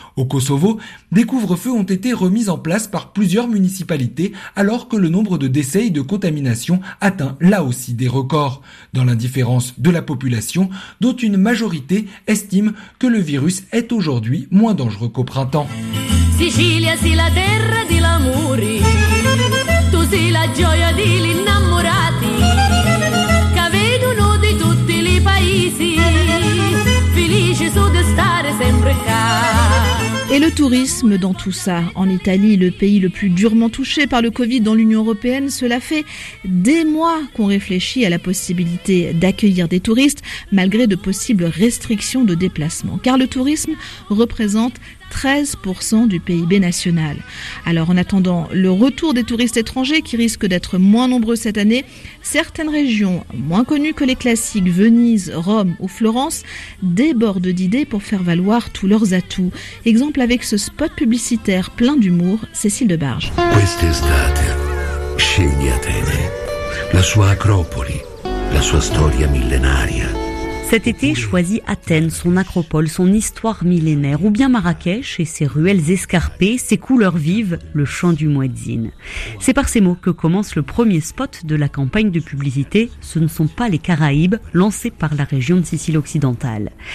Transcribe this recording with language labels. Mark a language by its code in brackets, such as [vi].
[fr] Au Kosovo, des couvre-feux ont été remis en place par plusieurs municipalités alors que le nombre de décès et de contaminations atteint là aussi des records. Dans l'indifférence de la population, dont une majorité estime que le virus est aujourd'hui moins dangereux qu'au printemps. [scn] Sicilia, si la terra di l'amore, tu si la gioia di l'innamorati, che vedono di tutti i paesi. [fr] Et le tourisme dans tout ça. En Italie, le pays le plus durement touché par le Covid dans l'Union européenne, cela fait des mois qu'on réfléchit à la possibilité d'accueillir des touristes malgré de possibles restrictions de déplacement. Car le tourisme représente 13% du PIB national. Alors en attendant le retour des touristes étrangers qui risquent d'être moins nombreux cette année, certaines régions moins connues que les classiques Venise, Rome ou Florence débordent d'idées pour faire valoir tous leurs atouts. Exemple avec ce spot publicitaire plein d'humour, Cécile Debarge. [it] Quest'estate scegli Atene, la sua acropoli, la sua storia millenaria. [fr] Cet été, choisis Athènes, son acropole, son histoire millénaire, ou bien Marrakech et ses ruelles escarpées, ses couleurs vives, le chant du muezzin. C'est par ces mots que commence le premier spot de la campagne de publicité « Ce ne sont pas les Caraïbes » lancée par la région de Sicile occidentale.